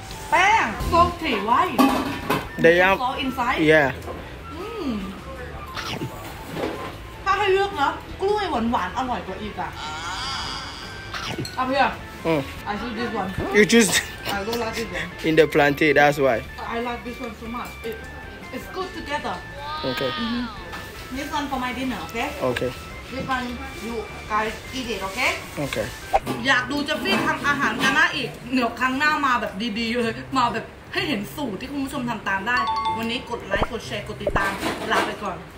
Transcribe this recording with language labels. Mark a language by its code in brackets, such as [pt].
[th] แป้งโซลตี้ไว้ [en] They are all inside Yeah [th] ถ้าให้เลือกนะกล้วยหวานหวานอร่อยกว่าอีกอ่ะเอาเพื่อ [en] I choose this one You choose I don't like this one In the plantain that's why I like this one so much It's good together Okay This one for my dinner okay Okay This one you guys eat it okay Okay [th] อยากดูจะฟีทำอาหารกาน่าอีกเดี๋ยวครั้งหน้ามาแบบดีๆเลยมาแบบให้เห็นสูตรที่คุณผู้ชมทำตามได้วันนี้กดไลค์กดแชร์กดติดตามลาไปก่อน